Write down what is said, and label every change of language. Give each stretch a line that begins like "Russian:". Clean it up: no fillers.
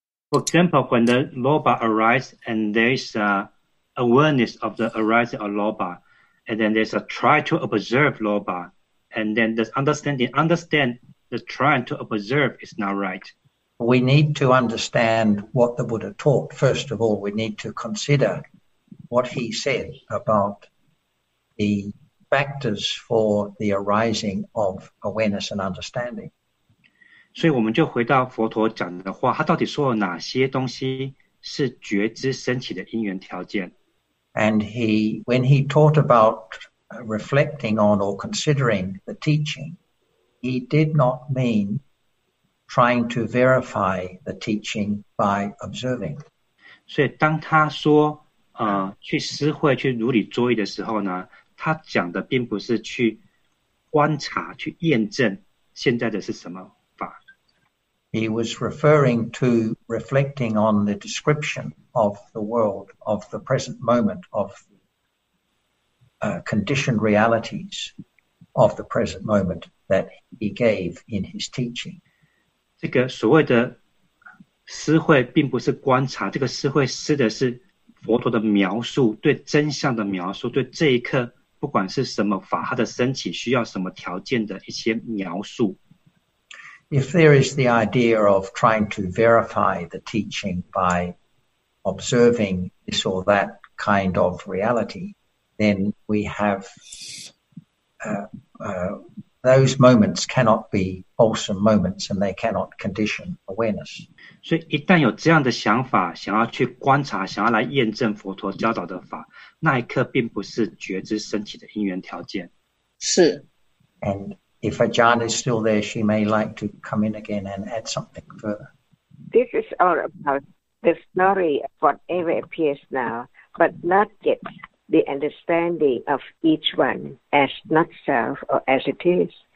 English: For example, when the loba arises and there is awareness of the arising of loba, and then there's a try to observe loba, and then the understand the trying to observe is not right. We need to understand what the Buddha taught. First of all, we need to consider what he said about the factors for the arising of awareness and understanding.
Chinese: 所以我们就回到佛陀讲的话，他到底说了哪些东西是觉知升起的因缘条件
English: ？And he, when he taught about reflecting on or considering the teaching, he did not mean trying to verify the teaching by observing.
Chinese: 所以当他说去思会去如理作意的时候呢，他讲的并不是去观察去验证现在的是什么。
English: He was referring to reflecting on the description of the world, of the present moment, of conditioned realities of the present moment that he gave in his teaching.
Chinese: 这个所谓的思慧并不是观察，这个思慧思的是佛陀的描述，对真相的描述，对这一刻不管是什么法，它的升起需要什么条件的一些描述。
English: If there is the idea of trying to verify the teaching by observing this or that kind of reality, then we have those moments cannot be wholesome moments and they cannot condition awareness.
Chinese: 所以一旦有这样的想法，想要去观察，想要来验证佛陀教导的法，那一刻并不是觉知升起的因缘条件。是。
English: And if Ajahn is still there, she may like to come in again and add something further. This is all about the story of whatever appears now, but not yet the understanding of each one as not self or as it is.